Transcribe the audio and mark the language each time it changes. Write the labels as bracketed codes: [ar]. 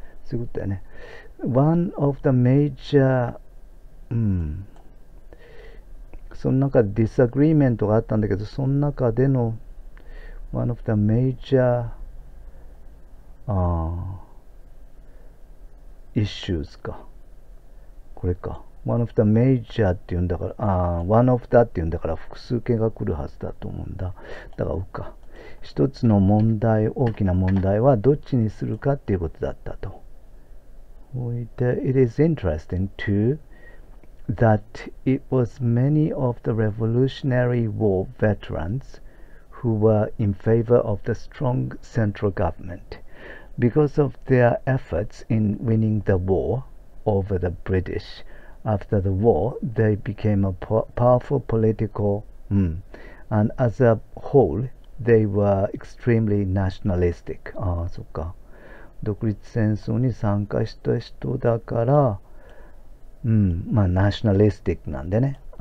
[ja] そういうことだよね。 [en] One of the major、 [ja] その中でディスアグリーメントがあったんだけど、その中での、One of the major、issues か。これか。 [en] One of the major [ja] って言うんだから、 [en] One of the [ja] って言うんだから、複数形が来るはずだと思うんだ。だから、うか。一つの問題、大きな問題は、どっちにするかっていうことだったと。おいて、 [en] It is interesting too that it was many of the Revolutionary War veterans who were in favor of the strong central government because of their efforts in winning the war over the British. After the war, they became a powerful political, and as a whole, they were extremely nationalistic. [ja] そっか。独立戦争に参加した人だから、ナショナリスティックなんでね。